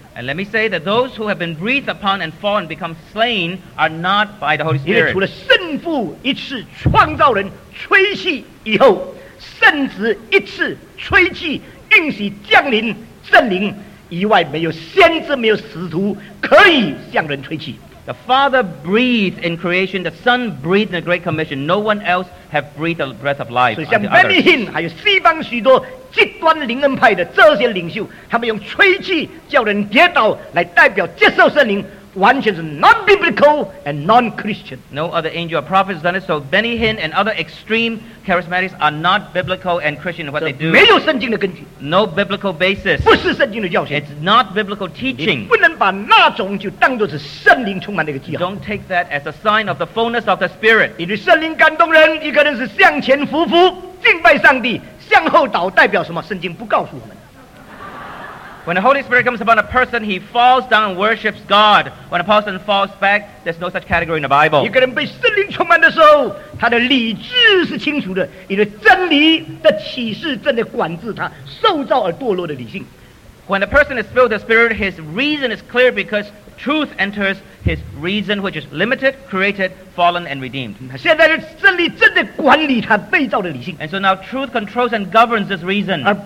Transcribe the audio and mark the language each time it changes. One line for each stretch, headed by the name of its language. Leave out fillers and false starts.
English: And let me say that those who have been breathed upon and fallen become slain are not by the Holy Spirit.
Chinese: 因为除了圣父一次创造人吹气以后，圣子一次吹气。应许降临圣灵以外，没有先知、没有使徒可以向人吹气。
English: The Father breathed in creation. The Son breathed in the Great Commission. No one else have breathed the breath of life.
Chinese: 所以像 Benny Hinn 还有西方许多极端灵恩派的这些领袖，他们用吹气叫人跌倒来代表接受圣灵。完全是
English: non-biblical and non-Christian. No other angel or prophet has done it. So Benny Hinn and other extreme charismatics are not biblical and Christian in what they do.
Chinese: 没有圣经的根据.
English: No biblical basis.
Chinese: 不是圣经的教训.
English: It's not biblical teaching.
Chinese: 你不能把那种就当作是圣灵充满的一个记号.
English: Don't take that as a sign of the fullness of the Spirit.
Chinese: 因为圣灵感动人, 一个人是向前匍匐敬拜上帝, 向后倒代表什么? 圣经不告诉我们。
English: When the Holy Spirit comes upon a person, he falls down and worships God. When a person falls back, there's no such category in the Bible.
Chinese: 一个人被圣灵充满的时候，他的理智是清楚的，因为真理的启示正在管制他受造而堕落的理性。
English: When a person is filled with the Spirit, his reason is clear because truth enters his reason, which is limited, created, fallen, and redeemed. And so now truth controls and governs this reason.